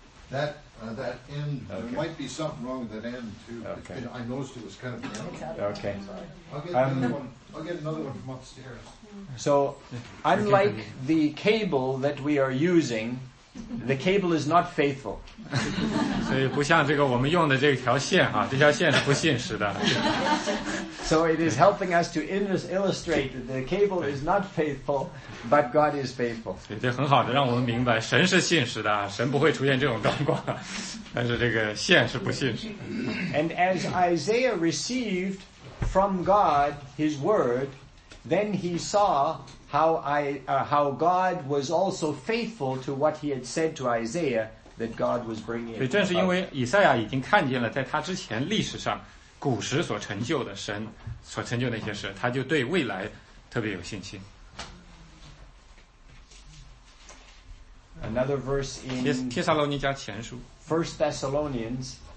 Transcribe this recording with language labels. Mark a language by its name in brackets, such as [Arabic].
[English] That end, okay. There might be something wrong with that end too. Okay. I noticed it was kind of narrow. Okay. I'll get another one from upstairs. So, unlike the cable that we are using, the cable is not faithful. [Chinese] 所以不像这个我们用的这条线啊，这条线是不信实的。 [English] So it is helping us to illustrate that the cable is not faithful, but God is faithful. [Chinese] 对，这很好的让我们明白神是信实的，神不会出现这种状况，但是这个线是不信实的。 [English] And as Isaiah received from God his word, then he saw how God was also faithful to what he had said to Isaiah that God was bringing. [Chinese] 所以正是因为以赛亚已经看见了在他之前历史上古时所成就的神所成就那些事，他就对未来特别有信心。 [English] Another verse in [Chinese] 帖撒罗尼迦前书 [English] First Thessalonians